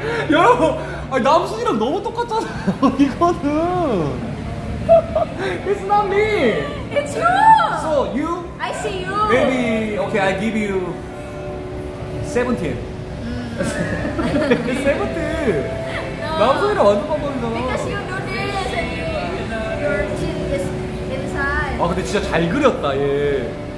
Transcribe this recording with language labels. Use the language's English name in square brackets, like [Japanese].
[Korean] 여러분, 아니, 남순이랑 너무 똑같잖아. 이거는. [English] It's not me. It's you. So you? I see you. Maybe okay. I give you 17. 17. [Korean] 남순이랑 완전 반반이잖아. [English] Because you do this and your chin is inside. [Korean] 아 근데 진짜 잘 그렸다 얘.